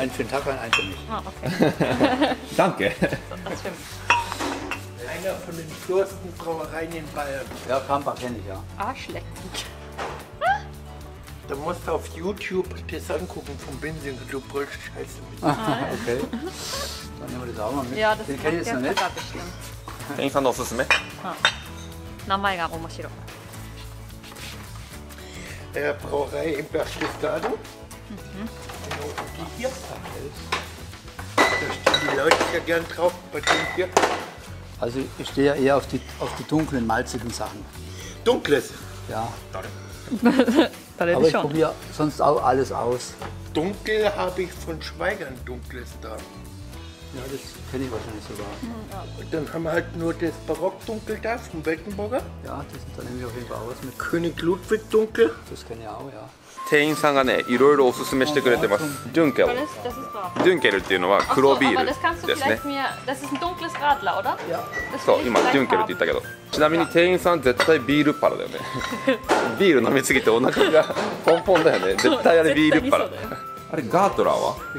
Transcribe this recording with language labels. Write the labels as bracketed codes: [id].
[de] アンチュンタカン、アンチュンミッシュ。あ、オッケー。ダンケ？アンチュンミッシュ。アンチュンミッシュ。アンチュンミッシュ。アンチュンミッシュ。アンチュンミッシュ。 Da musst du auf YouTube das angucken vom Benzin, und du brüllst scheiße mit. Okay. Dann nehmen wir das auch mal mit. Ja, das den kenne ich jetzt noch nicht. Den kann ich auch mit. Name ist auch lustig. Brauerei in Berchtesgaden. Genau, wo die Bierpacke ist. Da stehen die Leute ja gern drauf bei dem Bier. Also, ich stehe ja eher auf die dunklen, malzigen Sachen. Dunkles? Ja. Aber ich probiere sonst auch alles aus. Dunkel habe ich von Schweigern Dunkles da. Ja, das kenne ich wahrscheinlich sogar. Und dann haben wir halt nur das Barockdunkel da vom Weltenburger. Ja, das sind, dann nehme ich auf jeden Fall aus mit König Ludwig Dunkel. Das kenne ich auch, ja. [ja] 店員さんがね、いろいろおすすめしてくれてます。ドゥンケル。ドゥンケルっていうのは黒ビールですね。そう、今、ドゥンケルって言ったけど。ちなみに店員さん、絶対ビールパラだよね。ビール飲みすぎてお腹がポンポンだよね。絶対あれビールパラ。あれ、ガートラーは？